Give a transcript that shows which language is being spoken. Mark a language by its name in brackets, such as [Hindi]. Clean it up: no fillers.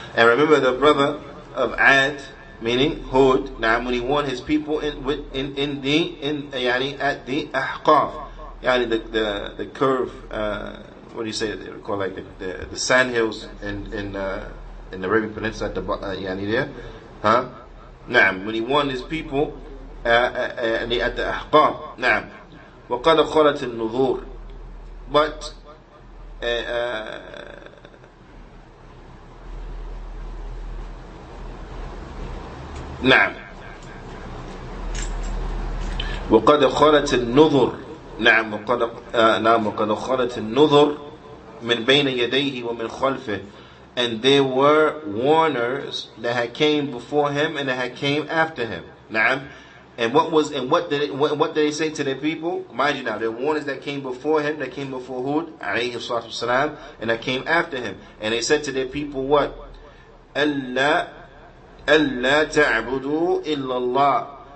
[English] And remember the brother of Ad, meaning Hud, when he warned his people at the Ahqaf, the curve, the sand hills in the Arabian Peninsula, when he warned his people at the Ahqaf, [Arabic] وَقَدَ خَلَتِ النُّذُورِ. But وقد خلت النذر وقد خلت النذر من بين يديه ومن خلفه. [English] And there were warners that had came before him and that had came after him. And what did they say to their people? Mind you now, the warners that came before him, that came before Hud, alayhi salatu wasalam, and that came after him. And they said to their people what? [Arabic] أَلَّا تَعْبُدُوا إِلَّا اللَّهِ.